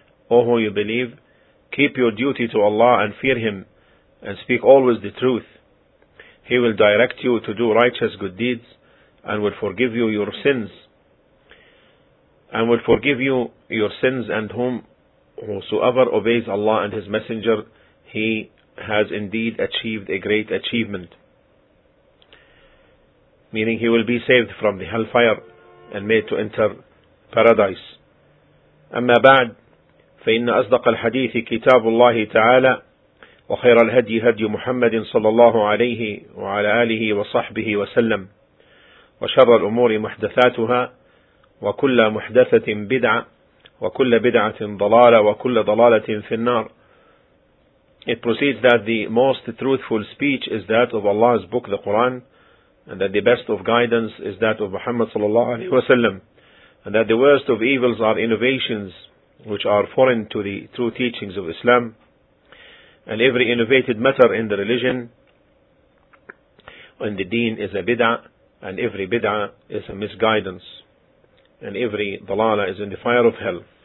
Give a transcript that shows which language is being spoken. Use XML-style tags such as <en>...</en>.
<en>O who you believe, keep your duty to Allah and fear Him and speak always the truth. He will direct you to do righteous good deeds and will forgive you your sins and whomsoever obeys Allah and His Messenger, he has indeed achieved a great achievement. Meaning he will be saved from the hellfire and made to enter paradise.</en> <ar>أما بعد فإن أصدق الحديث كتاب الله تعالى وخير الهدي هدي محمد صلى الله عليه وعلى آله وصحبه وسلم وشر الأمور محدثاتها وكل محدثة بدعة وكل بدعة ضلالة وكل ضلالة في النار.</ar> <en>It proceeds that the most truthful speech is that of Allah's book, the Quran, and that the best of guidance is that of Muhammad sallallahu alaihi wasallam, and that the worst of evils are innovations which are foreign to the true teachings of Islam, and every innovated matter in the religion and the deen is a bid'ah, and every bid'ah is a misguidance, and every dalala is in the fire of hell.</en>